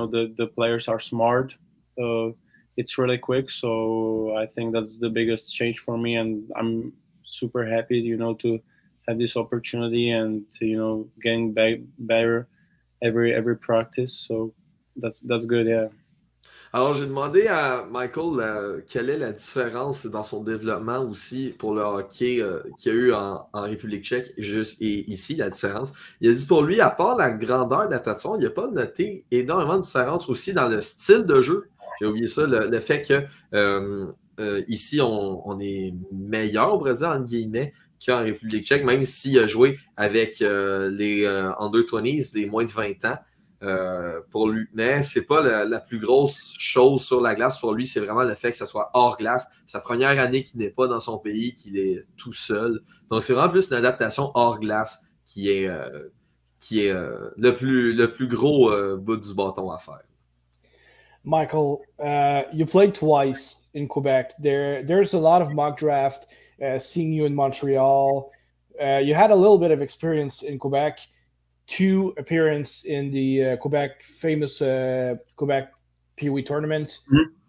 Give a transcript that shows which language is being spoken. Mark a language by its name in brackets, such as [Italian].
[English] You know, the players are smart. It's really quick, so I think that's the biggest change for me, and I'm super happy, you know, to have this opportunity and to, you know, getting better every practice. So that's good, yeah. [French] Alors, j'ai demandé à Michael quelle est la différence dans son développement aussi pour le hockey qu'il y a eu en République tchèque et ici, la différence. Il a dit pour lui, à part la grandeur de la patinoire, il n'a pas noté énormément de différence aussi dans le style de jeu. J'ai oublié ça, le fait que ici, on est meilleur au Brésil, entre guillemets, qu'en République tchèque, même s'il a joué avec les under-20s, les moins de 20 ans. Pour lui, mais c'est pas la plus grosse chose sur la glace pour lui, c'est vraiment le fait que ça soit hors glace, sa première année qu'il n'est pas dans son pays, qu'il est tout seul. Donc c'est vraiment plus une adaptation hors glace qui est le plus gros bout du bâton à faire. [English] Michael, you played twice in Quebec. There's a lot of mock draft seeing you in Montreal. You had a little bit of experience in Quebec. Two appearances in the Quebec Pee Wee tournament. Mm-hmm.